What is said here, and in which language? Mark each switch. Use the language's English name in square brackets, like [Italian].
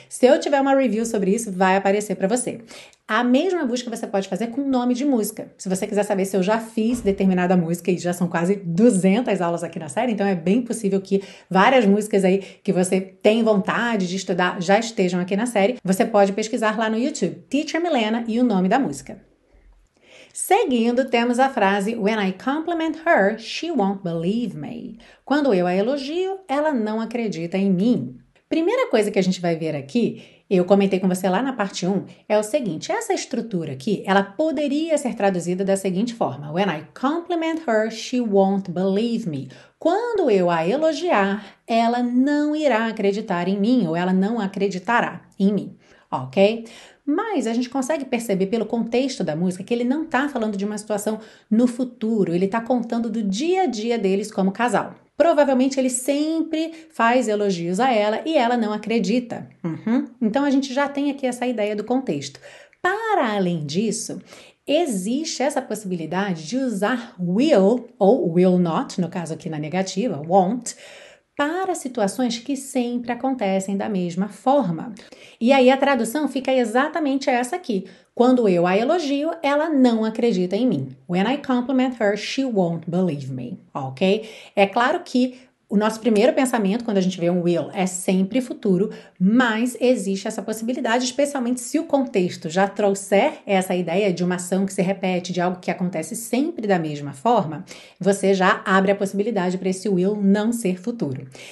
[Portuguese] Se eu tiver uma review sobre isso, vai aparecer para você. A mesma busca você pode fazer com nome de música. Se você quiser saber se eu já fiz determinada música, e já são quase 200 aulas aqui na série, então é bem possível que várias músicas aí que você tem vontade de estudar já estejam aqui na série. Você pode pesquisar lá no YouTube. Teacher Milena e o nome da música. Seguindo, temos a frase [English] When I compliment her, she won't believe me. [Portuguese] Quando eu a elogio, ela não acredita em mim. Primeira coisa que a gente vai ver aqui, eu comentei com você lá na parte 1, é o seguinte: essa estrutura aqui, ela poderia ser traduzida da seguinte forma: [English] When I compliment her, she won't believe me. [Portuguese] Quando eu a elogiar, ela não irá acreditar em mim, ou ela não acreditará em mim, ok? Mas a gente consegue perceber pelo contexto da música que ele não está falando de uma situação no futuro, ele está contando do dia a dia deles como casal. Provavelmente ele sempre faz elogios a ela e ela não acredita. Então a gente já tem aqui essa ideia do contexto. Para além disso, existe essa possibilidade de usar will ou will not, no caso aqui na negativa, won't, para situações que sempre acontecem da mesma forma. E aí a tradução fica exatamente essa aqui. Quando eu a elogio, ela não acredita em mim. [English] When I compliment her, she won't believe me. Ok? [Portuguese] É claro que o nosso primeiro pensamento, quando a gente vê um will, é sempre futuro, mas existe essa possibilidade, especialmente se o contexto já trouxer essa ideia de uma ação que se repete, de algo que acontece sempre da mesma forma, você já abre a possibilidade para esse will não ser futuro.